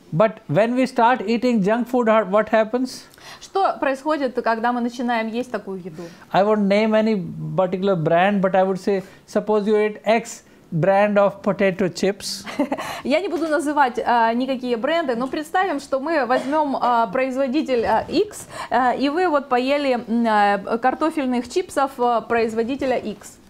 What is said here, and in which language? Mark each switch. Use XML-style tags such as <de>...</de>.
<en>But when we start eating junk food, what happens?</en> <ru>Что происходит, когда мы начинаем есть такую еду?</ru> <en>I won't name any particular brand, but I would say, suppose you ate X brand of potato chips.</en> <ru>Я не буду называть никакие бренды, но представим, что мы возьмем производитель X, и вы вот поели картофельных чипсов производителя X.</ru>